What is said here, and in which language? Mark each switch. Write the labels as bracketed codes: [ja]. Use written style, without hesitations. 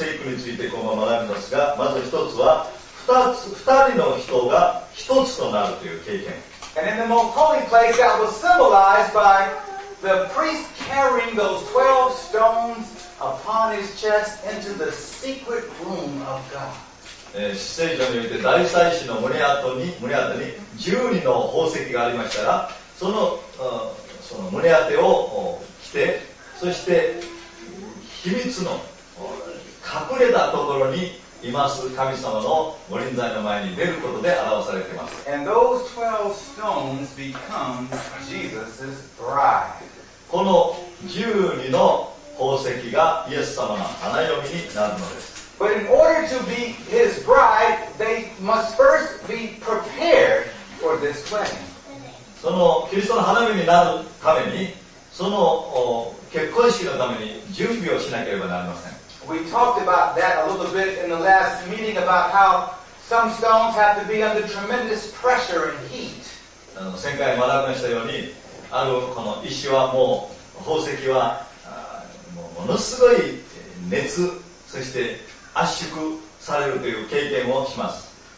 [ja] についてこのまま学びますが、まず一つは2人の人が1 一つとなるという経験。 [en] And in the most holy place, that was symbolized by the priest carrying those 12 stones upon his chest into the secret room of God. [ja] 施政所において大祭司の胸当てに12の宝石がありましたら、その胸当てを着て、そして秘密の隠れたところにいます神様の御臨在の前に出ることで表されています。 [en] And those 12 stones become Jesus's bride. [ja] この12の宝石がイエス様の花嫁になるのです。 [en] But in order to be his bride, they must first be prepared for this wedding. [ja] そのキリストの花嫁になるために、その結婚式のために準備をしなければなりません。 [en] We talked about that a little bit in the last meeting about how some stones have to be under tremendous pressure and heat. [ja] 前回学びましたように、あるこの石はもう宝石はものすごい熱、そして圧縮されるという経験をします。